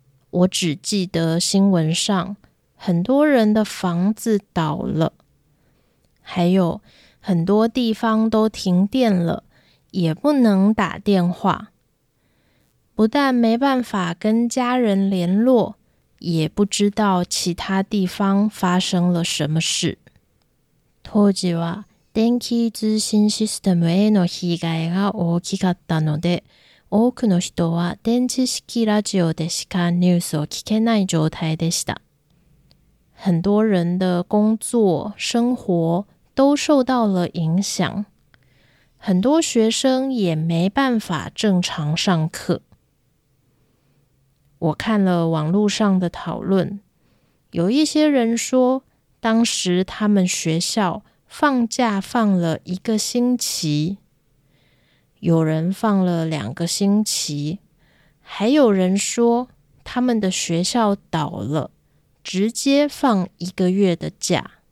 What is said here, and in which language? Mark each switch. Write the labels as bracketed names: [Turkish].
[Chinese] 我只记得新闻上很多人的房子倒了，还有很多地方都停电了，也不能打电话，不但没办法跟家人联络，也不知道其他地方发生了什么事。 [Japanese] 当時は電気通信システムへの被害が大きかったので、多くの人は電磁式ラジオでしかニュースを聞けない状態でした。 [Chinese] 很多人的工作、生活都受到了影响。很多学生也没办法正常上课。我看了网络上的讨论，有一些人说，当时他们学校放假放了一个星期，有人放了两个星期，还有人说他们的学校倒了，直接放一个月的假。